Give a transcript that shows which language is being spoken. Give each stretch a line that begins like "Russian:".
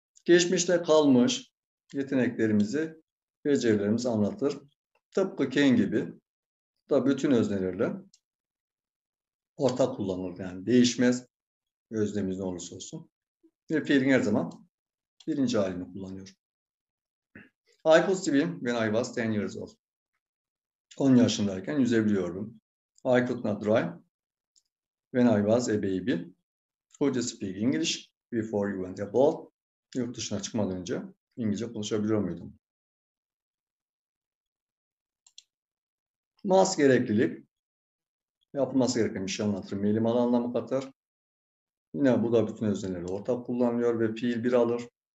Turkish: Geçmişte kalmış yeteneklerimizi, becerilerimizi anlatır. Tıpkı can gibi da bütün öznelerle ortak kullanılır. Yani değişmez öznemiz ne olursa olsun. Ve fiilin her zaman birinci halini kullanıyor.
English: I could swim when I was 10 years old.
Turkish: 10 yaşındayken yüzebiliyordum.
English: I could not drive when I was a baby. Could you speak English before you went abroad?
Turkish: Yurt dışına çıkmadan önce İngilizce konuşabiliyor muydum? Must gereklilik. Yapılması gereken bir şey anlatırım. Elim alan anlamı katar. Yine bu da bütün özneleri ortak kullanılıyor ve fiil bir alır.